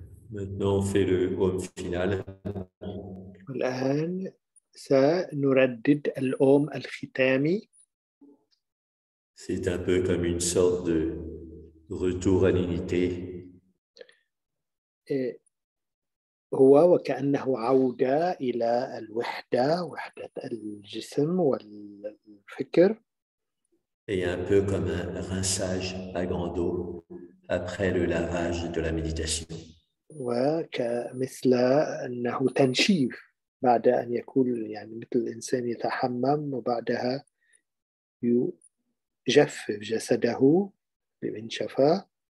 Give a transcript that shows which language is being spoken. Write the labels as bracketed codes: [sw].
[fr] Maintenant, on fait le home final. [ar] الآن سنردد الأوم الختامي. [fr] C'est un peu comme une sorte de retour à l'unité. [ar] هو وكأنه عودة إلى الوحدة، وحدة الجسم والفكر. [fr] Et un peu comme un rinçage à grande eau après le lavage de la méditation. [ar] وكمثل أنه تنشيف بعد أن يكون يعني مثل الإنسان يتحمم وبعدها يجفف جسده بمنشفة.